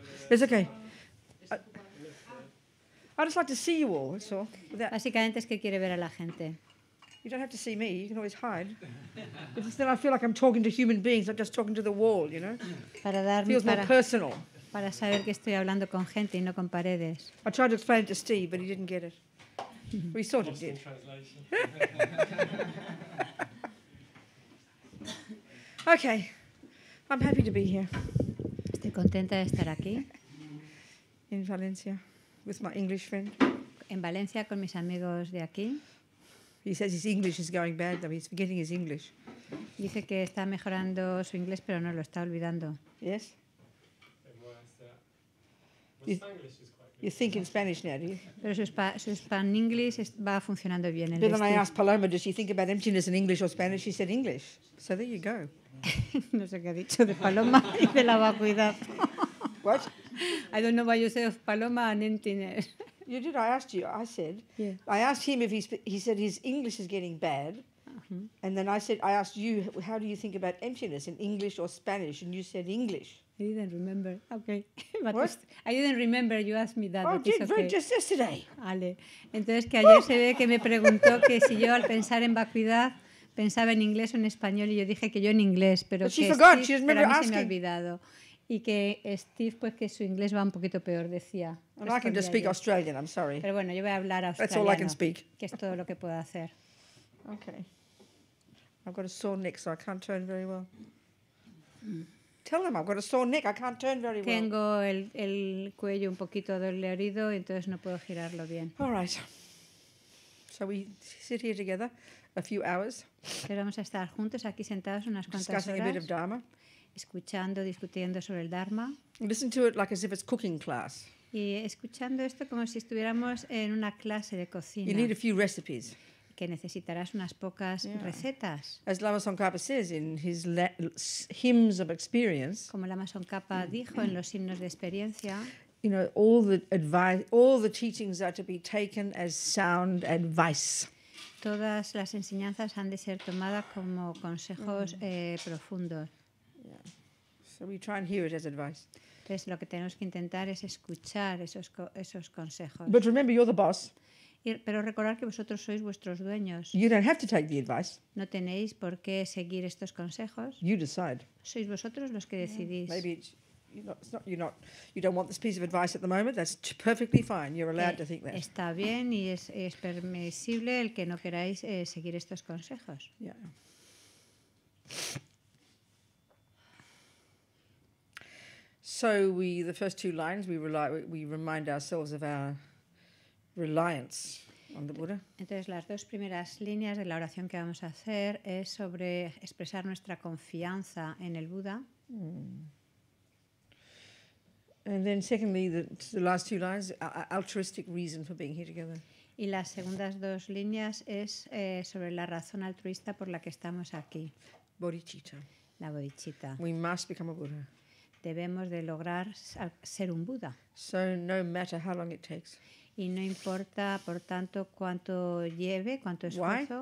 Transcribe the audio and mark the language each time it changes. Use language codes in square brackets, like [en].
[en] It's okay. I just like to see you all, that's all. [es] Without, básicamente es que quiere ver a la gente. [en] You don't have to see me, you can always hide. But then I feel like I'm talking to human beings, not just talking to the wall, you know? [es] Para dar, [en] feels [es] para, [en] more personal. [es] Para saber que estoy hablando con gente y no con paredes. [en] I tried to explain it to Steve, but he didn't get it. We sort of did. Translation. Okay, I'm happy to be here. [es] Estoy contenta de estar aquí. [en] In Valencia, with my English friend. [es] En Valencia con mis amigos de aquí. [en] He says his English is going bad, though he's forgetting his English. [es] Dice que está mejorando su inglés, pero no lo está olvidando. [en] Yes. Spanish is. You think in Spanish now, do you? [es] Pero su Spanish va funcionando bien. [en] But then I asked Paloma, does she think about emptiness in English or Spanish? She said English. So there you go. [es] No sé qué ha dicho de Paloma y de la vacuidad. [en] What? I don't know why you said Paloma and emptiness. You did. I asked you. I said. Yeah. I asked him if he said his English is getting bad. Uh-huh. And then I said, I asked you, how do you think about emptiness in English or Spanish? And you said English. I didn't remember. Okay. But what? I didn't remember you asked me that. Oh, did, okay. Right, just yesterday. Ale. [es] Entonces, que ayer se ve que me preguntó que si yo al pensar en vacuidad pensaba en inglés o en español y yo dije que yo en inglés, pero [en] but [es] que [en] forgot. [es] Steve, pero a mí se me ha olvidado. Y que Steve, pues que su inglés va un poquito peor, decía. [en] I can just speak Australian, I'm sorry. [es] Pero bueno, yo voy a hablar australiano. [en] That's all I can speak. [es] Que es todo lo que puedo hacer. [en] Okay. I've got a sore neck, so I can't turn very well. Tell them I've got a sore neck. I can't turn very well. [es] Tengo el cuello un poquito dolorido, entonces no puedo girarlo bien. [en] All right. So we sit here together a few hours. [es] Pero vamos a estar juntos aquí sentados unas cuantas horas. [en] Discussing a bit of Dharma. [es] Escuchando, discutiendo sobre el Dharma. [en] Listen to it like as if it's cooking class. [es] Y escuchando esto como si estuviéramos en una clase de cocina. [en] You need a few recipes. [es] Que necesitarás unas pocas recetas. [en] As Lama Tsongkhapa says in his hymns of experience. [es] Como Lama Tsongkhapa dijo en los himnos de experiencia. [en] You know, all the advice, all the teachings are to be taken as sound advice. [es] Todas las enseñanzas han de ser tomadas como consejos profundos. [en] Yeah. So we try and hear it as advice. [es] Entonces lo que tenemos que intentar es escuchar esos consejos. [en] But remember, you're the boss. [es] Pero recordar que vosotros sois vuestros dueños. [en] You don't have to take the advice. [es] No tenéis por qué seguir estos consejos. [en] You decide. [es] Sois vosotros los que decidís. [en] Maybe it's not, you don't want this piece of advice at the moment. That's perfectly fine. You're allowed to think that. [es] Está bien y es permisible el que no queráis seguir estos consejos. [en] Yeah. So we, the first two lines, we remind ourselves of our reliance on the Buddha. [es] Entonces las dos primeras líneas de la oración que vamos a hacer es sobre expresar nuestra confianza en el Buda. [en] And then secondly, the last two lines, altruistic reason for being here together. [es] Y las segundas dos líneas es sobre la razón altruista por la que estamos aquí. [en] Bodhicitta. [es] La bodhicitta. [en] We must become a Buddha. [es] Debemos de lograr ser un Buda. [en] So no matter how long it takes. [es] Y no importa, por tanto, cuánto lleve, cuánto esfuerzo.